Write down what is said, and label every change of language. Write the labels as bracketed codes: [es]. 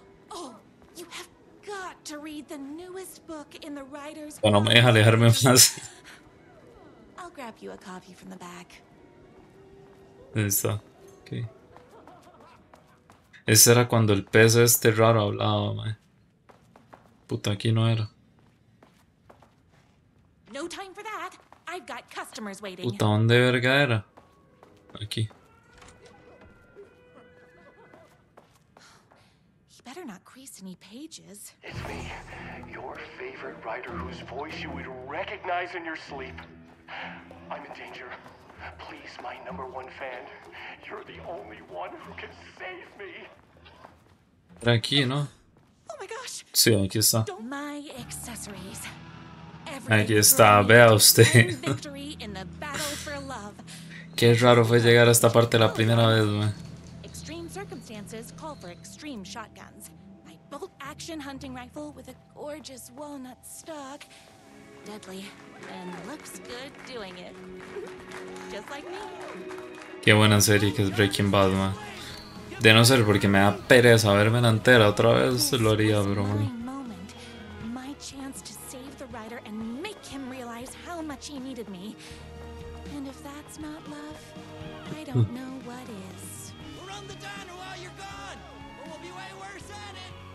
[en] Oh, you have got to read the newest book in the writer's... [es] Bueno, me deja alejarme más. [en] I'll grab you a copy from the back. [es] Listo. Okay. Ese era cuando el pez este raro hablaba, man. Puta, aquí no era. [en] No time for that. I've got customers waiting. [es] Puta, ¿dónde verga era? Aquí. [en] He better not crease any pages. It's me, your favorite writer whose voice you would recognize in your sleep. I'm in danger. Please, my number one fan, you're the only one who can save me. [es] Aquí, ¿no? [en] Oh my gosh. [es] Sí, aquí está. [en] My accessories. [es] Aquí está, vea usted. [en] Victory in the battle for love. [es] Qué raro fue llegar a esta parte la primera vez, man. [en] Extreme circumstances call for extreme shotguns. My bolt action hunting rifle with a gorgeous walnut stock. Deadly. And looks good doing it. Just like me. [es] Qué buena serie que es Breaking Bad, man. De no ser porque me da pereza verme la entera otra vez, lo haría, bro. [en] My chance to save the writer and make him realize how much he needed me. And if that's not love, I don't know what is. We're on the diner while you're gone, or we'll be way worse at it.